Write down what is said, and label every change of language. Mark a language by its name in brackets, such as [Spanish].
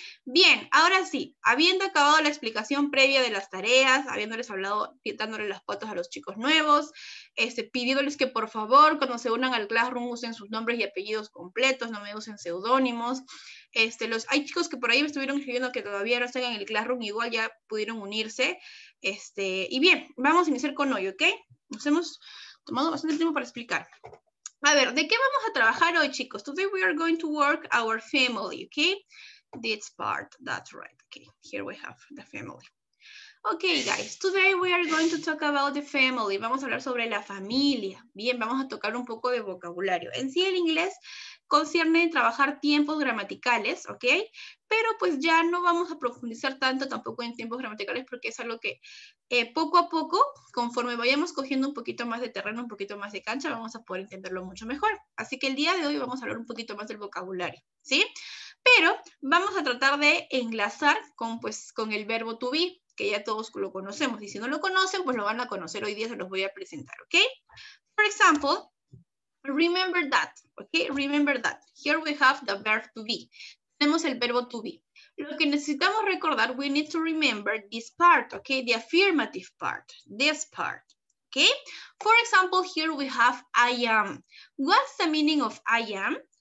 [Spanish] Bien, ahora sí, habiendo acabado la explicación previa de las tareas, habiéndoles hablado, dándoles las pautas a los chicos nuevos, pidiéndoles que por favor, cuando se unan al Classroom, usen sus nombres y apellidos completos, no me usen seudónimos. Hay chicos que por ahí me estuvieron escribiendo que todavía no están en el Classroom, igual ya pudieron unirse. Y bien, vamos a iniciar con hoy, ¿ok? Nos hemos tomado bastante tiempo para explicar. A ver, ¿de qué vamos a trabajar hoy, chicos? [English] Today we are going to work our family, ¿ok? This part, that's right. Okay, here we have the family. Okay, guys, today we are going to talk about the family. [Spanish] Vamos a hablar sobre la familia. Bien, vamos a tocar un poco de vocabulario. En sí, el inglés concierne en trabajar tiempos gramaticales, ¿ok? Pero pues ya no vamos a profundizar tanto tampoco en tiempos gramaticales porque es algo que poco a poco, conforme vayamos cogiendo un poquito más de terreno, un poquito más de cancha, vamos a poder entenderlo mucho mejor. Así que el día de hoy vamos a hablar un poquito más del vocabulario, ¿sí? Pero vamos a tratar de enlazar con, pues, con el verbo to be, que ya todos lo conocemos. Y si no lo conocen, pues lo van a conocer hoy día, se los voy a presentar, ¿ok? [English] For example, remember that, ¿ok? Remember that. Here we have the verb to be. [Spanish] Tenemos el verbo to be. Lo que necesitamos recordar, [English] we need to remember this part, ¿ok? The affirmative part, this part, ¿ok? For example, here we have I am. What's the meaning of I am?